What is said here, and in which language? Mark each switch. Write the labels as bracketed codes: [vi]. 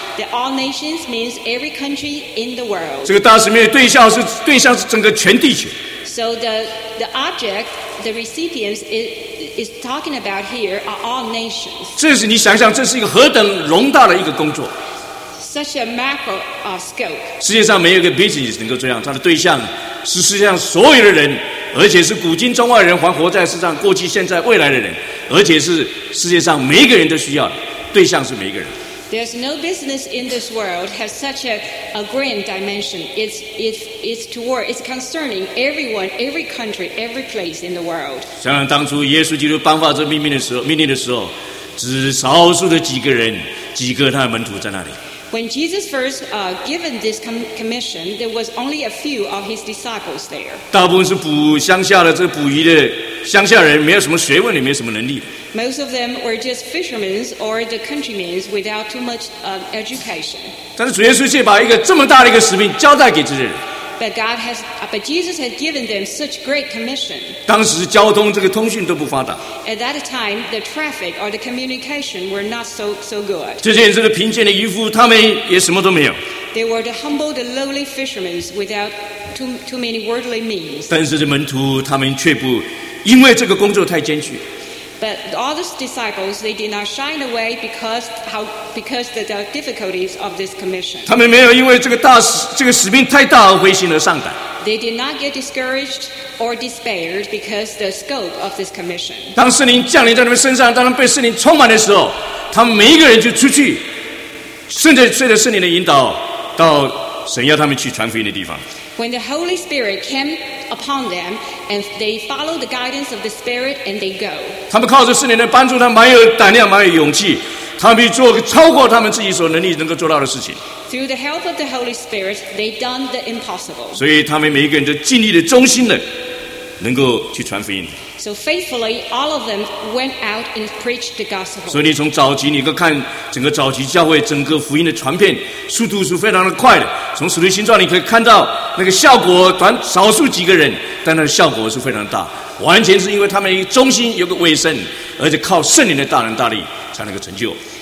[en] That all nations means every country in the world. [zh] 这个大使命的对象是整个全地球。 [en] So the object, the recipients is talking about here are all nations. [zh] 这是你想想，这是一个何等宏大的一个工作。 [en] Such a macro scope. [zh] 世界上没有一个 business 能够这样，它的对象是世界上所有的人，而且是古今中外人，还活在世上，过去、现在、未来的人，而且是世界上每一个人都需要的，对象是每一个人。 [en] There's no business in this world has such a grand dimension. It's concerning everyone, every country, every place in the world. [zh] 想想当初耶稣基督颁发这命令的时候，只少数的几个人，几个他的门徒在那里。 [en] When Jesus first given this commission, there was only a few of his disciples there. [zh] 大部分是捕鱼的乡下人，没有什么学问，也没有什么能力。 [en] Most of them were just fishermen or the countrymen without too much education. [zh] 但是主耶稣却把一个这么大的一个使命交代给这些人。 [en] But Jesus has given them such great commission. [zh] 当时交通这个通讯都不发达。 [en] At that time, the traffic or the communication were not so good. [zh] 这些人是个贫贱的渔夫，他们也什么都没有。 [en] They were the humble, the lowly fishermen without too many worldly means. [zh] 但是这门徒他们却不，因为这个工作太艰巨。 [en] But all the disciples, they did not shine away because of the difficulties of this commission. [zh] 他们没有因为这个使命太大而灰心而丧胆。 [en] They did not get discouraged or despaired because the scope of this commission. [zh] 当圣灵降临在他们身上，当他们被圣灵充满的时候，他们每一个人就出去，顺着圣灵的引导，到神要他们去传福音的地方。 [en] When the Holy Spirit came upon them, and they followed the guidance of the Spirit, and they go. [zh] 他们靠着圣灵的帮助，他蛮有胆量，蛮有勇气，他们做超过他们自己所能力能够做到的事情。 [en] Through the help of the Holy Spirit, they done the impossible. [zh] 所以他们每一个人都尽力的、忠心的，能够去传福音。 [en] So faithfully, all of them went out and preached the gospel. [zh] 所以你从早期，你可以看整个早期教会整个福音的传遍，速度是非常的快的。从使徒行传你可以看到那个效果，短少数几个人，但那个效果是非常大，完全是因为他们一个中心有个卫生，而且靠圣灵的大能大力才能够成就。